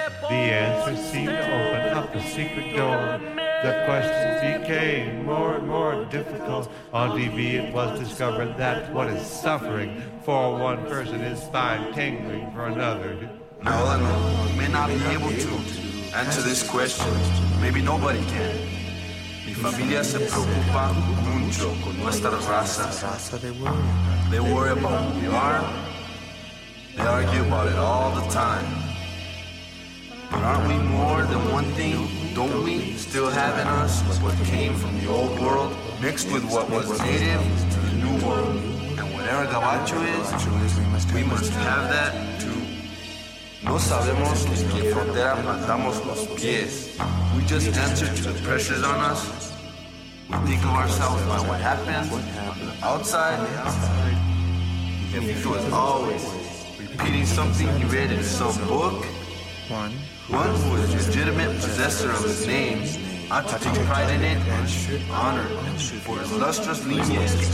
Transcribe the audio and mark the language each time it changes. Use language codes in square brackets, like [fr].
[en] The answer seemed to open up a secret door. The questions became more and more difficult. On TV it was discovered that what is suffering for one person is fine tingling for another. Now Eleanor may not be able to answer this question. Maybe nobody can. [es] Mi familia se preocupa mucho con nuestra raza. [en] They worry about who we are. They argue about it all the time. But aren't we more than one thing? Don't we still have in us what came from the old world mixed with what was native to the new world? And whatever Gabacho is, we must have that too. [es] No sabemos en qué frontera plantamos los pies. [en] We just answer to the pressures on us. We think of ourselves by what happens outside. And he was always repeating something he read in some book. One who is a legitimate possessor of his name ought to take pride in it and should honor for his lustrous lineage.